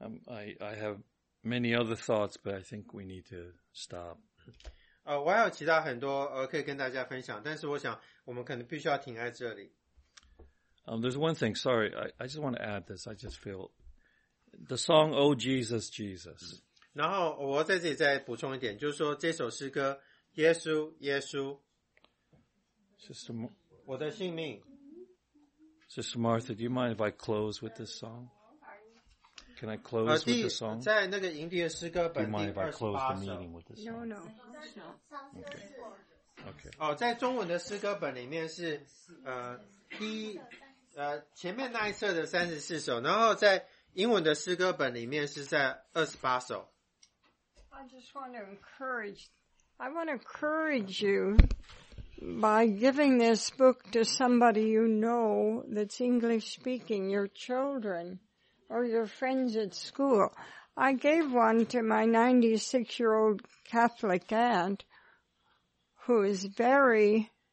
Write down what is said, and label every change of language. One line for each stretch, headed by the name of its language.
English: I have many other thoughts, but I think we need to stop.
Chinese: 我还有其他很多可以跟大家分享，但是我想我们可能必须要停在这里。
English: There's one thing, sorry, I just want to add this, I just feel, the song, Oh Jesus, Jesus.
Chinese: 然后我在这里再补充一点，就是说这首诗歌，耶稣，耶稣。我的性命。
English: Sister Martha, do you mind if I close with this song? Can I close with the song?
Chinese: 在那个营地的诗歌本第28首。
English: Do you mind if I close the meeting with this song? No. Okay. Okay.
Chinese: 哦，在中文的诗歌本里面是第一前面那一册的34首，然后在英文的诗歌本里面是在28首。
English: I want to encourage you by giving this book to somebody you know that's English speaking, your children or your friends at school. I gave one to my 96-year-old Catholic aunt who is very...